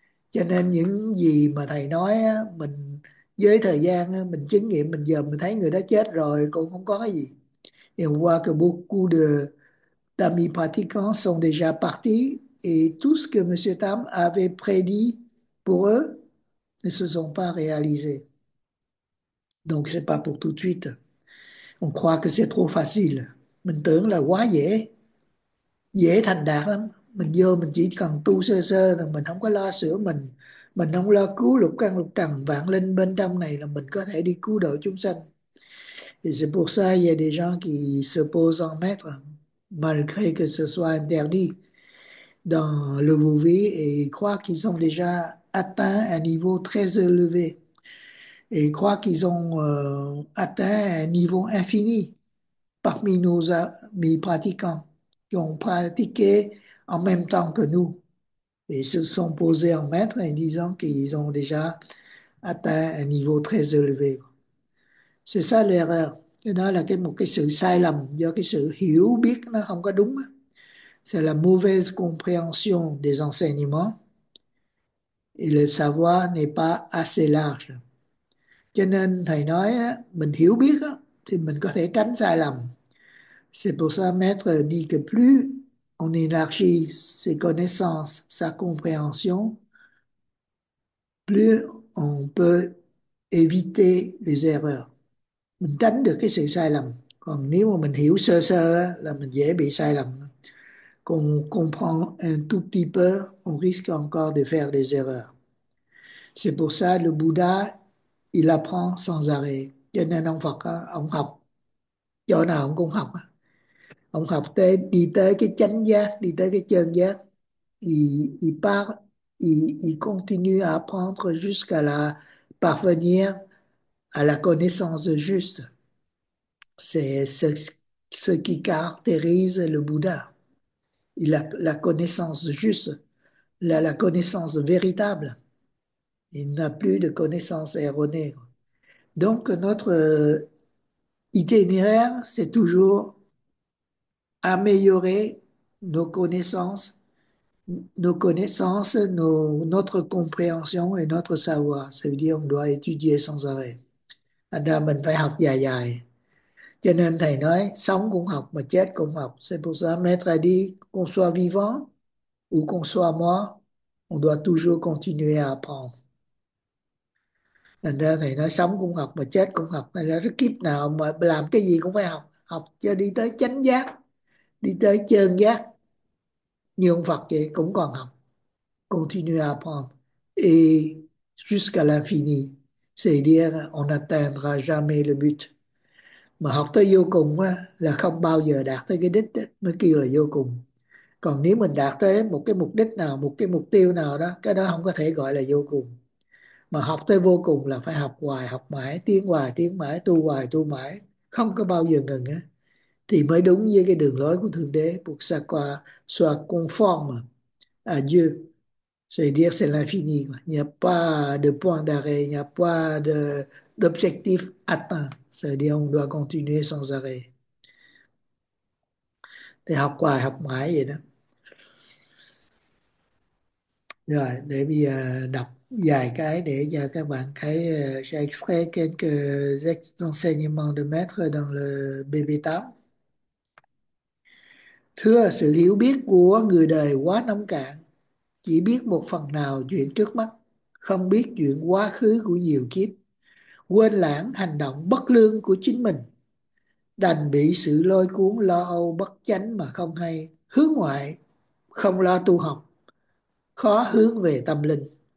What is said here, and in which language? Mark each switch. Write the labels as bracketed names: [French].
[Vietnamese] Cho nên những gì mà thầy nói mình với thời gian mình chứng nghiệm, mình giờ mình thấy người đó chết rồi cũng không có cái gì. [French] Et on voit que beaucoup de d'amis pratiquants sont déjà partis et tout ce que M. Tam avait prédit pour eux ne se sont pas réalisés. Donc c'est pas pour tout de suite. On croit que c'est trop facile. [Vietnamese] Mình tưởng là quá dễ, dễ thành đạt lắm. Mình vô mình chỉ cần tu sơ sơ là mình không có lo sửa mình không lo cứu lục căn lục trần vạn linh bên trong này là mình có thể đi cứu độ chúng sanh. [French] Et c'est pour ça qu'il y a des gens qui se posent en maître, malgré que ce soit interdit dans le Wu-Vi, et croient qu'ils ont déjà atteint un niveau très élevé, et croient qu'ils ont atteint un niveau infini parmi nos amis pratiquants, qui ont pratiqué en même temps que nous, et se sont posés en maître en disant qu'ils ont déjà atteint un niveau très élevé. C'est ça l'erreur. [Vietnamese] Cái đó là cái một cái sự sai lầm do cái sự hiểu biết nó không có đúng. [French] C'est la mauvaise compréhension des enseignements. Et le savoir n'est pas assez large. [Vietnamese] Cho nên thầy nói mình hiểu biết thì mình có thể tránh sai lầm. [French] C'est pour ça maître dit que plus on élargit ses connaissances, sa compréhension, plus on peut éviter les erreurs. [Vietnamese] Mình tránh được cái sự sai lầm. Còn nếu mà mình hiểu sơ sơ là mình dễ bị sai lầm. Còn [French] comprendre un tout petit peu, on risque encore de faire des erreurs. C'est pour ça le Bouddha, il apprend sans arrêt. [Vietnamese] Cho nên ông Phật, ông học, chỗ nào ông cũng học. Ông học tới, đi tới cái chánh giác, đi tới cái chân giác. [French] Il part, il continue à apprendre jusqu'à la parvenir à la connaissance juste. C'est ce qui caractérise le Bouddha. Il a la connaissance juste, la connaissance véritable. Il n'a plus de connaissance erronée. Donc notre itinéraire, c'est toujours améliorer notre compréhension et notre savoir. Ça veut dire qu'on doit étudier sans arrêt. [Vietnamese] Thành ra mình phải học dài dài. Cho nên thầy nói sống cũng học mà chết cũng học. [French] C'est pour ça, maître a dit, qu'on soit vivant ou qu'on soit mort, on doit toujours continuer à apprendre. [Vietnamese] Thành ra thầy nói sống cũng học mà chết cũng học. Thành ra cái kiếp nào mà làm cái gì cũng phải học. Học cho đi tới chánh giác, đi tới chơn giác. Như ông Phật vậy cũng còn học. [French] Continue à apprendre. Et jusqu'à l'infini. C'est-à-dire, on n'atteindra jamais le but. [Vietnamese] Mà học tới vô cùng á, là không bao giờ đạt tới cái đích đó, mới kêu là vô cùng. Còn nếu mình đạt tới một cái mục đích nào, một cái mục tiêu nào đó, cái đó không có thể gọi là vô cùng. Mà học tới vô cùng là phải học mãi, tiến mãi, tu mãi, không có bao giờ ngừng á. Thì mới đúng với cái đường lối của Thượng Đế, [French] pour que ça soit conforme à Dieu. C'est-à-dire, c'est l'infini. Il n'y a pas de point d'arrêt, il n'y a pas d'objectif atteint. C'est-à-dire, on doit continuer sans arrêt. [Vietnamese] Thì học hoài, học mãi vậy đó. Rồi, để bây giờ đọc vài cái để cho các bạn thấy. [French] J'ai extrait quelques enseignements de maître dans le BB8. [Vietnamese] Thưa, sự hiểu biết của người đời quá nông cạn. Chỉ biết một phần nào chuyện trước mắt, không biết chuyện quá khứ của nhiều kiếp, quên lãng hành động bất lương của chính mình. Đành bị sự lôi cuốn lo âu bất chánh mà không hay, hướng ngoại, không lo tu học, khó hướng về tâm linh.